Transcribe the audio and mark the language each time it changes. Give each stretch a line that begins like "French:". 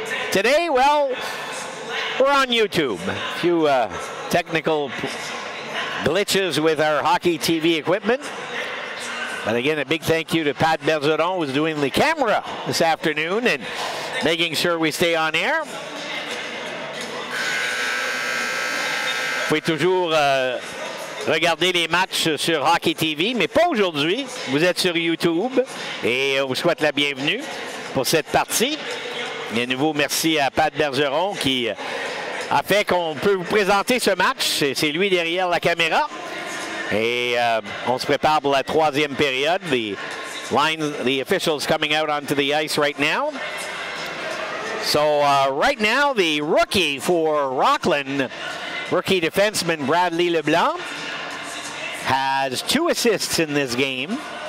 English: Today, well, we're on YouTube. A few technical glitches with our Hockey TV equipment. But again, a big thank you to Pat Bergeron, who's doing the camera this afternoon and making sure we stay on air.
French: Vous pouvez toujours regarder les matchs sur Hockey TV, mais pas aujourd'hui. Vous êtes sur YouTube et on vous souhaite la bienvenue pour cette partie. Et à nouveau, merci à Pat Bergeron qui a fait qu'on peut vous présenter ce match. C'est lui derrière la caméra. Et on se prépare pour la troisième période.
English: The officials coming out onto the ice right now. So right now, the rookie for Rockland, rookie defenseman Bradley LeBlanc, has two assists in this game.